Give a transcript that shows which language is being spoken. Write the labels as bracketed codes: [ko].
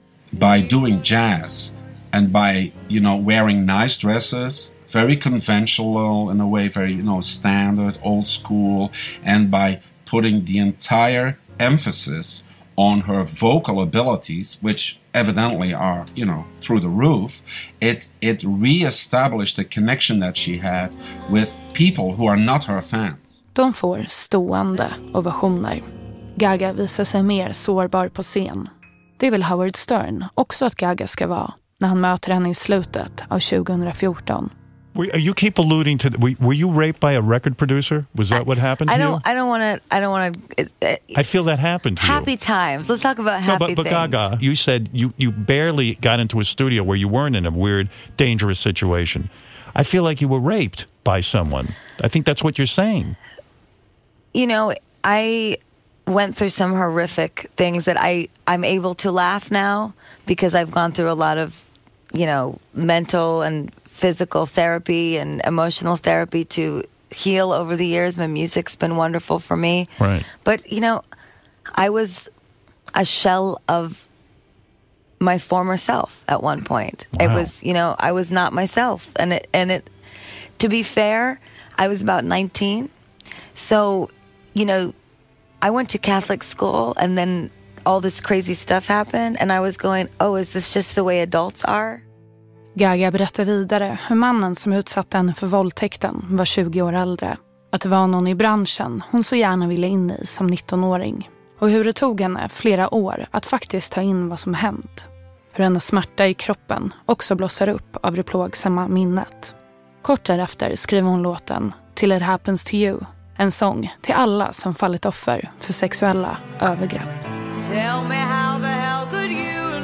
[en] By doing jazz and by, you know, wearing nice dresses, very conventional in a way, very, you know, standard, old school, and by putting the entire emphasis on her vocal abilities, which evidently are, you know, through the roof, it reestablished the connection that she had with people who are not her fans. [sv] De får stående ovationer. Gaga visar sig mer sårbar på scen. Det vill Howard Stern också att Gaga ska vara när han möter henne i slutet av 2014. [en] You keep alluding to were you raped by a record producer? Was that what happened to you? I don't want to. I feel that happened to you. Happy times. Let's talk about happy things. No, but Gaga, you said you barely got into a studio where you weren't in a weird, dangerous situation. I feel like you were raped by someone. I think that's what you're saying. You know, I went through some horrific things that I'm able to laugh now because I've gone through a lot of, you know, mental and physical therapy and emotional therapy to heal over the years. My music's been wonderful for me. Right. But, you know, I was a shell of my former self at one point. Wow. It was, you know, I was not myself. And it, to be fair, I was about 19. So, you know, I went to Catholic school and then all this crazy stuff happened. And I was going, oh, is this just the way adults are? [sv] Gaga berättar vidare hur mannen som utsatte henne för våldtäkten var 20 år äldre. Att det var någon i branschen hon så gärna ville in i som 19-åring. Och hur det tog henne flera år att faktiskt ta in vad som hänt. Hur hennes smärta i kroppen också blossar upp av det plågsamma minnet. Kort därefter skriver hon låten Till It Happens To You. En sång till alla som fallit offer för sexuella övergrepp. [en] Tell me how the hell could you.